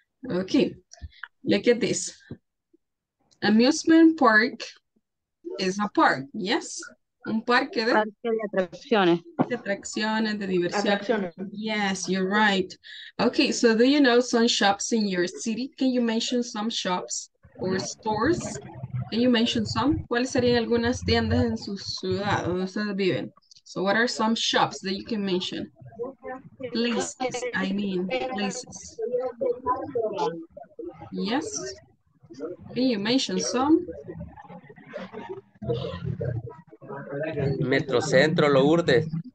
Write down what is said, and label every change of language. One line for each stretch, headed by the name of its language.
English: Okay, look at this. Amusement park is a park, yes? Un parque de
Spanish: atracciones. Atracciones, de diversión. Yes, you're right.
English: Okay, so do you know some shops in your city? Can you mention some shops or stores? Can you mention some?
Spanish: ¿Cuáles serían algunas tiendas en su ciudad donde ustedes viven?
English: So what are some shops that you can mention? Places, I mean, places. Yes. Can you mention some? Metrocentro, Lourdes.